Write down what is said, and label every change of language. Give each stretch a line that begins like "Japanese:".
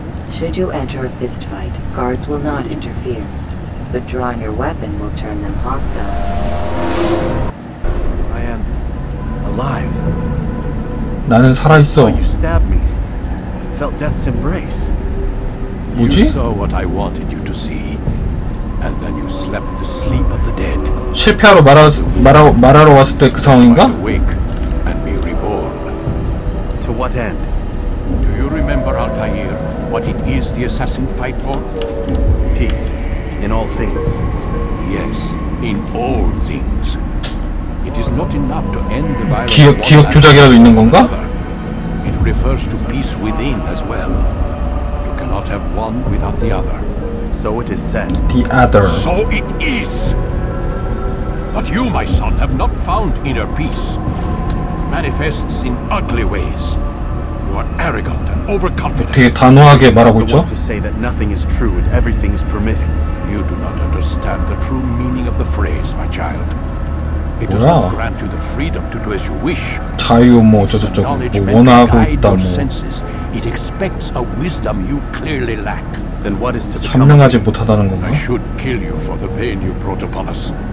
English: Should you enter a fist fight, guards will not interfere. But drawing your weapon will turn them hostile. I am alive.
Korean: 나는 살아있어.
English: You stabbed me. Felt death's embrace.
Korean: 뭐지?
English: You saw what I wanted you to see, and then you slept the sleep of the dead.
Korean: 실패하러 말하러 왔을 때 그 상황인가?
English: Awake and be reborn. To what end? Do you remember Altair? What it is the assassin fight for? Peace in all things. Yes, in all things. It is not enough to end the violence.
Korean: 기억 조작이라도 있는 건가?
English: It refers to peace within as well. You cannot have one without the other. So it is said. The other. So it is. But you, my son, have not found inner peace. Manifests in ugly ways. You are arrogant and overconfident.
Korean: 되게 단호하게 말하고 있죠?
English: You want to say that nothing is true and everything is permitted. You do not understand the true meaning of the phrase, my child. It does not grant you the freedom to do as you wish.
Korean: 자유 뭐 어쩌고저쩌고 뭐 원하고 있다 뭐.
English: It expects a wisdom you clearly lack. Then what is to become?
Korean: 참능하지 못하다는 건가?
English: I should kill you for the pain you brought upon us.